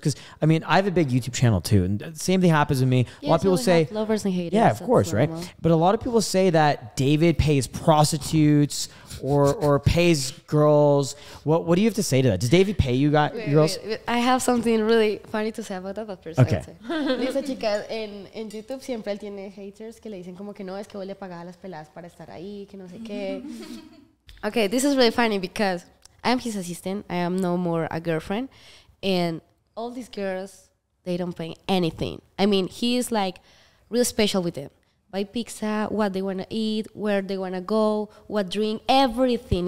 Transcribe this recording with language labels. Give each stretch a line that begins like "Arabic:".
English: Because, I mean, I have a big YouTube channel too. And the same thing happens with me. Yeah, a lot of people say, lovers and haters. Yeah, of course, right? But a lot of people say that David pays prostitutes or pays girls. What do you have to say to that? Does David pay you guys, girls? Wait. I have something really funny to say about that. But first, okay.
Spanish: Dice chica, en YouTube siempre él tiene haters que le dicen como que no, es que vos le pagas a las peladas para estar ahí, que no sé qué.
English: Okay, this is really funny because I am his assistant. I am no more a girlfriend. And all these girls, they don't pay anything. I mean, he is like real special with them. Buy pizza, what they want to eat, where they want to go, what drink, everything.